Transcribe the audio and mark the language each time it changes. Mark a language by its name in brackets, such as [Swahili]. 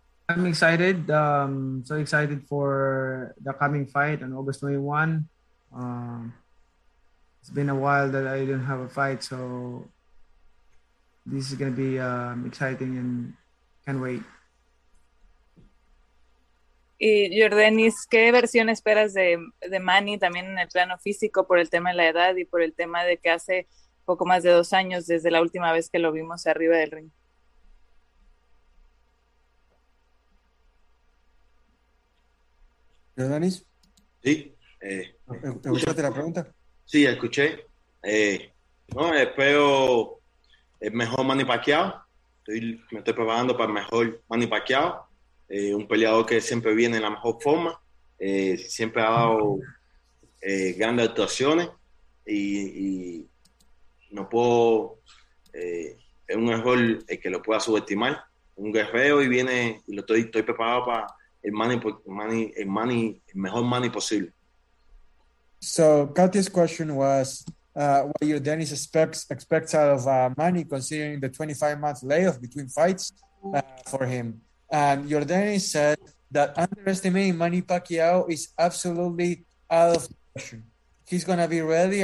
[English] I'm excited. So excited for the coming fight on August 21. It's been a while that I didn't have a fight. So this is going to be exciting and can't wait. [Spanish] Y Yordenis, ¿qué versión esperas de Manny también en el plano físico por el tema de la edad y por el tema de que hace poco más de dos años desde la última vez que lo vimos arriba del ring? Yordenis? Sí. ¿Te gustaste la pregunta? Sí, escuché. No, espero el mejor Manny Pacquiao. Me estoy preparando para el mejor Manny Pacquiao. Un peleador que siempre viene en la mejor forma, siempre ha dado grandes actuaciones y no puedo, es un error el que lo pueda subestimar, un guerrero y viene, y lo estoy preparado para el mejor Manny posible. [English] So, Katia's question was, what your Dennis expects out of Manny considering the 25-month layoff between fights for him? Yordenis said that underestimating Manny Pacquiao is absolutely out of question. He's going to be ready.